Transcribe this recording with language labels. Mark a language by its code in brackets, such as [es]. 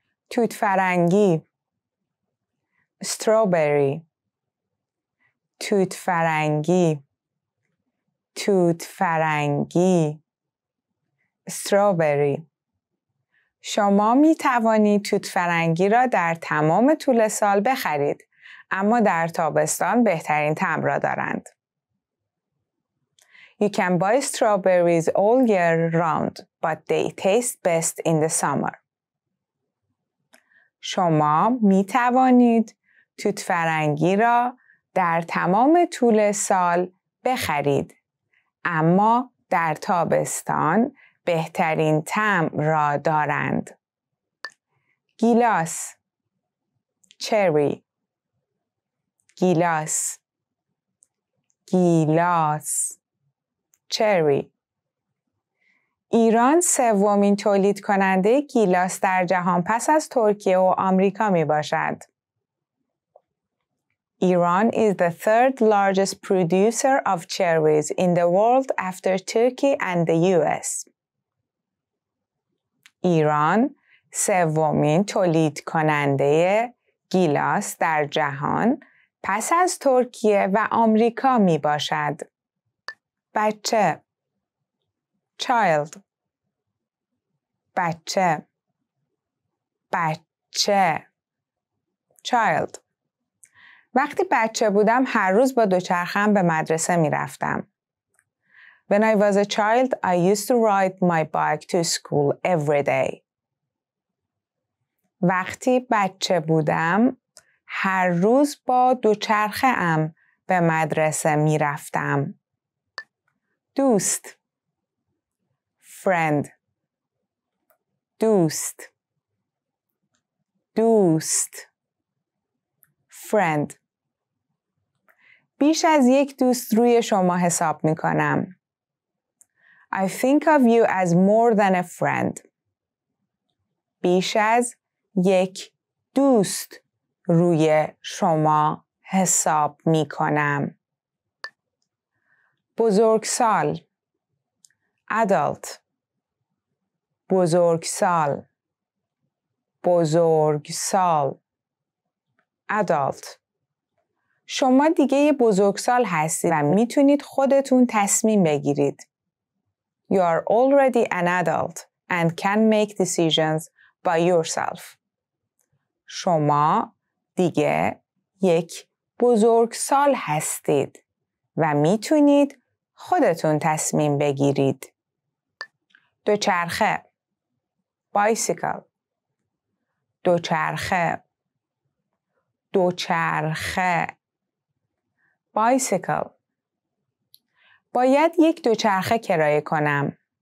[fa] توت فرنگی strawberry توت فرنگی توت فرنگی strawberry شما می توانید توت فرنگی را در تمام طول سال بخرید اما در تابستان بهترین طعم را دارند. [en] You can buy strawberries all year round, but they taste best in the summer. [fa] شما می توانید توت فرنگی را در تمام طول سال بخرید اما در تابستان بهترین طعم را دارند. گیلاس cherry گیلاس گیلاس چری ایران سومین تولید کننده گیلاس در جهان پس از ترکیه و آمریکا می باشد. [en] Iran is the third largest producer of cherries in the world after Turkey and the US. [fa] ایران سومین تولید کننده گیلاس در جهان پس از ترکیه و آمریکا می باشد. بچه child بچه بچه child وقتی بچه بودم هر روز با دوچرخم به مدرسه می رفتم. [en] When I was a child, I used to ride my bike to school every day. [fa] وقتی بچه بودم هر روز با دوچرخه ام به مدرسه می رفتم. دوست friend دوست دوست friend بیش از یک دوست روی شما حساب می کنم. [en] I think of you as more than a friend. [fa] بیش از یک دوست روی شما حساب می کنم. بزرگ سال adult بزرگ سال بزرگ سال adult شما دیگه یه بزرگ سال هستید و می تونید خودتون تصمیم بگیرید. [en] You are already an adult and can make decisions by yourself. [fa] شما دیگه یک بزرگسال هستید و میتونید خودتون تصمیم بگیرید. دوچرخه بایسیکل دوچرخه دوچرخه بایسیکل باید یک دوچرخه کرایه کنم.